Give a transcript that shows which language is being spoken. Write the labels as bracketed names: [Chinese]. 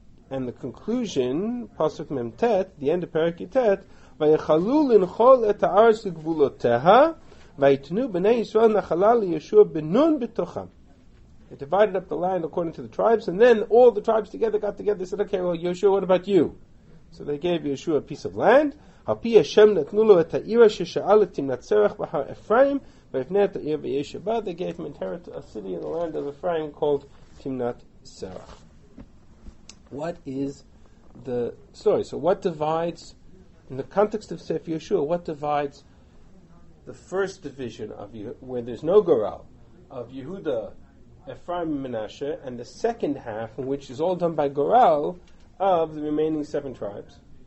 [English] and the conclusion, Pasuk Mem Tet, the end of Perek Yutet, [Hebrew] ויחלו לנחול את הארץ לגבולותיה, ויתנו בני ישראל נחלה לישוע בן נון בתוכם. [English] They divided up the land according to the tribes, and then all the tribes together got together and said, okay, well, Yeshua, what about you? So they gave Yeshua a piece of land. [Hebrew] על פי השם נתנו לו את העיר ששאל את תמנצרח בהר אפרים, ויפנה את העיר בישוע בה. [English] They gave him inherit a city in the land of Ephraim called Timnath-Serach. What is the story? So what divides... In the context of Sefer Yeshua, what divides the first division of where there's no Goral, of Yehuda, Ephraim, and Manasseh, and the second half, which is all done by Goral, of the remaining seven tribes?